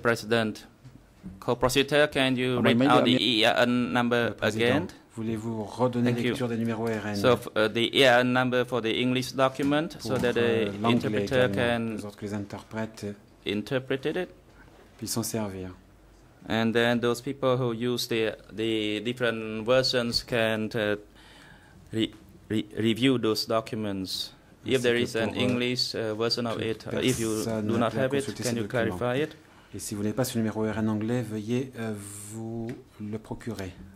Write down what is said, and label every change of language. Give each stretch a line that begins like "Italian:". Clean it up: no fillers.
English: President, co-prosecutor, can you read out the EIN number again?
French: Voulez-vous redonner la lecture des numéros RN?
English: So the EIN number for the English document, so that the interpreter can interpret it,
French: puis s'en servir.
English: And then those people who use the different versions can review those documents. If there is an English version of it, if you do not have it, can you clarify it?
French: Et si vous n'avez pas ce numéro RN anglais, veuillez vous le procurer.